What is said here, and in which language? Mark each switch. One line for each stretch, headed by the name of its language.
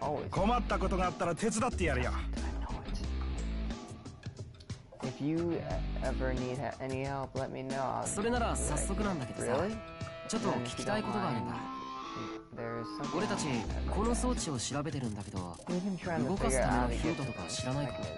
Japanese: 困ったことがあったら手伝ってやるよ。
English: If you ever need any help, let me know.
Japanese: それなら早速なんだけどさ、ちょっと聞きたいことがあるんだ。俺たちこの装置を調べてるんだけど、動かすためのヒントとか知らないか？